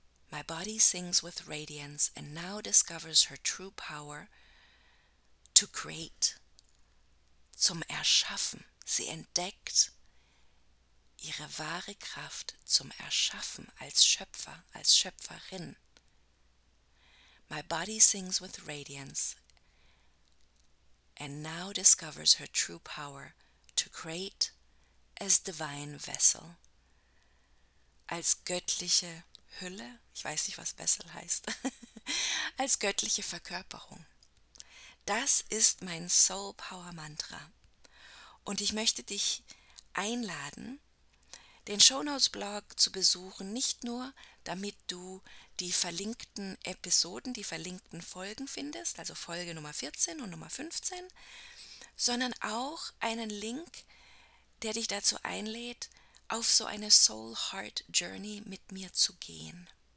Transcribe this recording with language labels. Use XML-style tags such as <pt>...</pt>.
<en>My body sings with radiance and now discovers her true power to create,</en> <de>zum Erschaffen. Sie entdeckt ihre wahre Kraft zum Erschaffen als Schöpfer, als Schöpferin.</de> <en>My body sings with radiance and now discovers her true power to create as divine vessel.</en> <de>Als göttliche Hülle, ich weiß nicht, was Vessel heißt, als göttliche Verkörperung. Das ist mein Soul Power Mantra. Und ich möchte dich einladen, den Shownotes-Blog zu besuchen, nicht nur, damit du die verlinkten Episoden, die verlinkten Folgen findest, also Folge Nummer 14 und Nummer 15, sondern auch einen Link, der dich dazu einlädt, auf so eine Soul-Heart-Journey mit mir zu gehen.</de>